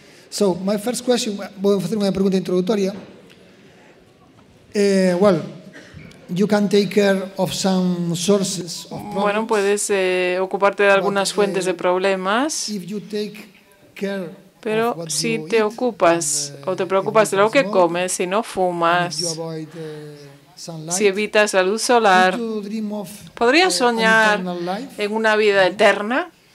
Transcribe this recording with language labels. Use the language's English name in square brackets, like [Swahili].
[English] So, my first question, [Spanish] voy a hacer una pregunta introductoria. [English] Well, you can take care of some sources of problems. [Spanish] Bueno, puedes ocuparte de algunas fuentes de problemas. [English] If you take care, [Spanish] pero si te ocupas o te preocupas de lo que comes, si no fumas, [English] you avoid, [Spanish] si evitas la luz solar, ¿podrías soñar en una vida eterna?